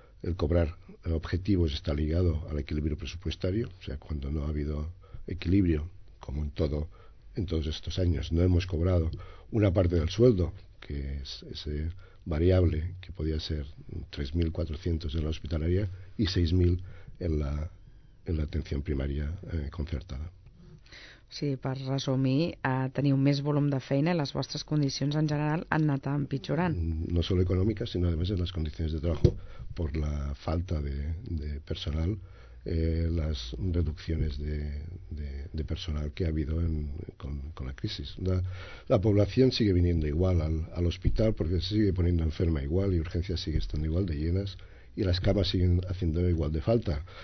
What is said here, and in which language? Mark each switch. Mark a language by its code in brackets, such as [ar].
[es] el cobrar objetivos está ligado al equilibrio presupuestario, o sea, cuando no ha habido equilibrio, como en todos estos años, no hemos cobrado una parte del sueldo, que es ese variable que podía ser 3.400 en la hospitalaria y 6.000 en la atención primaria concertada. [ca] Sí, per resumir, teniu més volum de feina i les vostres condicions en general han anat empitjorant. [es] No solo económicas, sino además en las condiciones de trabajo, por la falta de personal, las reducciones de personal que ha habido con la crisis. La población sigue viniendo igual al hospital, porque se sigue poniendo enferma igual y urgencias sigue estando igual de llenas y las camas siguen haciendo igual de falta.